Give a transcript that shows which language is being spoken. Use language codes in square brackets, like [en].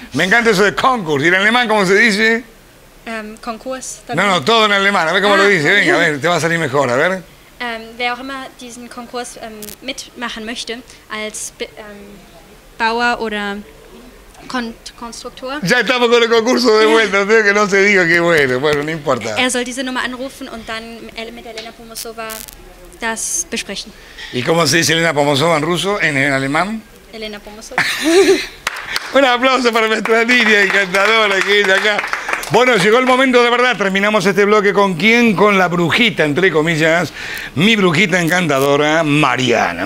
[es] Me encanta eso de concurso. ¿Y en alemán cómo se dice? Concurso. No, todo en alemán. A ver cómo lo dice. Venga, a ver, te va a salir mejor. A ver. [de] Wer auch immer diesen Konkurs mitmachen möchte als Bauer oder Konstruktor. [es] Ya estamos con el concurso de vuelta, tengo que no se diga que bueno, bueno, no importa. [de] Er soll diese Nummer anrufen und dann mit Elena Pomosova das besprechen. [es] ¿Y cómo se dice Elena Pomosova en ruso, en alemán? Elena Pomosova. Un aplauso para nuestra niña encantadora que viene acá. Bueno, llegó el momento de verdad. Terminamos este bloque con quién, con la brujita, entre comillas, mi brujita encantadora, Mariana.